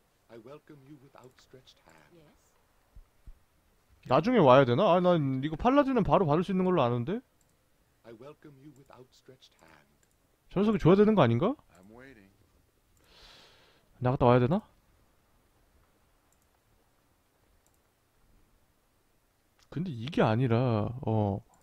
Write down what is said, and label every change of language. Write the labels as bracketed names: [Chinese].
[English] I welcome you with outstretched hand. [Korean] Yes. 나중에 와야 되나? 아, 난 이거 팔라딘은 바로 받을 수 있는 걸로 아는데. [English] I welcome you with outstretched hand. [Korean] 저 녀석이 줘야 되는 거 아닌가? [English] I'm waiting. [Korean] 나갔다 와야 되나? 근데 이게 아니라 어.